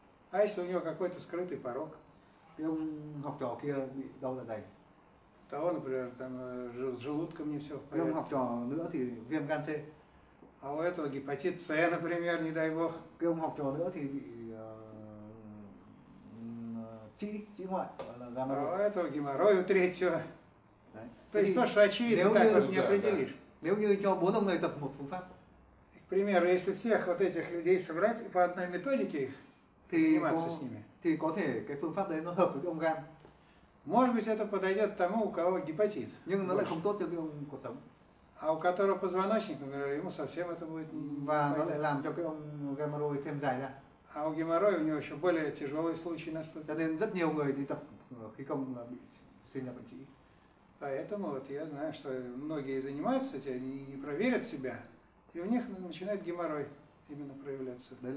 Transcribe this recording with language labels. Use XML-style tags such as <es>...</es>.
<ru>А если у него какой-то скрытый порог? То он, например, там с желудком не все в порядке. А у этого гепатит С, например, не дай бог. А у этого геморрой у третьего. То есть то, что очевидно, так вот не определишь.</ru> <vi>Nếu như cho bốn ông này tập một phương pháp.</vi> <ru>К примеру, если всех вот этих людей собрать и по одной методике их заниматься с ними.</ru> <vi>Thì có thể cái phương pháp đấy nó hợp với ông gan.</vi> <ru>Может быть, это подойдет тому, у кого гепатит.</ru> <vi>Nhưng nó lại không tốt cho cái ông cột sống.</vi> <ru>А у которого позвоночник, например, ему совсем это будет.</ru> <vi>Và nó lại làm cho cái ông геморрой thêm dài ra.</vi> <ru>А у геморроя у него еще более тяжелый случай наступит.</ru> <vi>Cho nên rất nhiều người đi tập khi công là bị sinh ra bệnh trĩ.</vi> <ru>Поэтому вот я знаю, что многие занимаются этим, они не проверят себя, и у них начинает геморрой именно проявляться.</ru>